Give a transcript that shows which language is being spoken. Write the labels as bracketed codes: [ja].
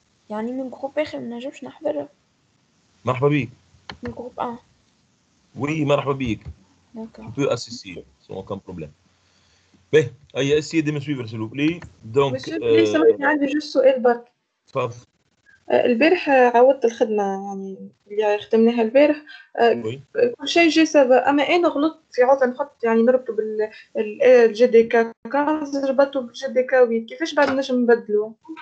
[ar] يعني من جروب آخر ما نجمش نحضرها. مرحبا بيك. من جروب آن وي مرحبا بيك. دكا [fr] Tu peux assister sans aucun problème. Mais, allez, essayez de me suivre, s'il vous plaît. Donc, [ar] monsieur بليز سامحني عندي جوج سؤال برك. تفضل. البارح عوضت الخدمة يعني اللي خدمناها البارح وي. كل شيء جي سافا، أما أنا غلطت في عوض نحط يعني نربطه بالجي دي كا كاز ربطته بالجي دي كا وي، كيفاش بعد نجم نبدلو؟